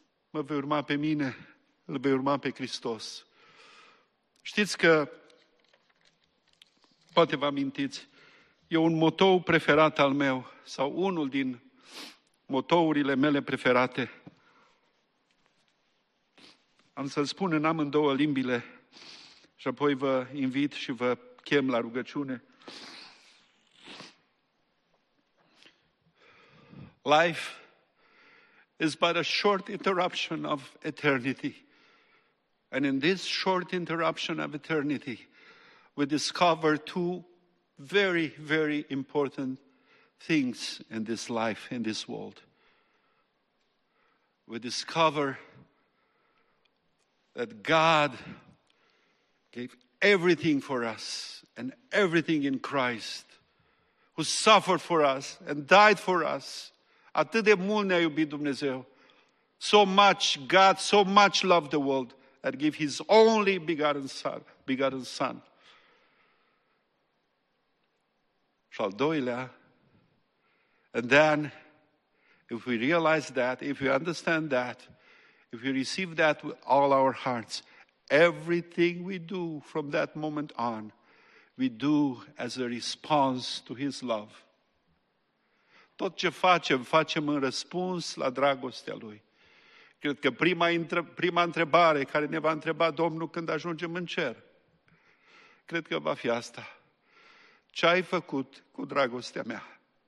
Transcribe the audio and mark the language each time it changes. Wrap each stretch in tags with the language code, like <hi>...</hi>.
<ro>Mă vei urma pe mine, îl vei urma pe Hristos. Știți că, poate vă amintiți, e un motou preferat al meu, sau unul din motourile mele preferate. Am să-l spun în amândouă limbile și apoi vă invit și vă chem la rugăciune.</ro> <en>Life is but a short interruption of eternity. And in this short interruption of eternity, we discover two very, very important things in this life, in this world. We discover that God gave everything for us and everything in Christ, who suffered for us and died for us.</en> <ro>Atât de mult ne-a iubit Dumnezeu.</ro> <en>So much God, so much loved the world that gave His only begotten Son.</en> <ro>Și al doilea,</ro> <en>and then, if we realize that, if we understand that, if we receive that with all our hearts, everything we do from that moment on, we do as a response to His love.</en> <ro>Tot ce facem, facem în răspuns la dragostea Lui. Cred că prima întrebare care ne va întreba Domnul când ajungem în cer, cred că va fi asta. Ce ai făcut cu dragostea mea?</ro>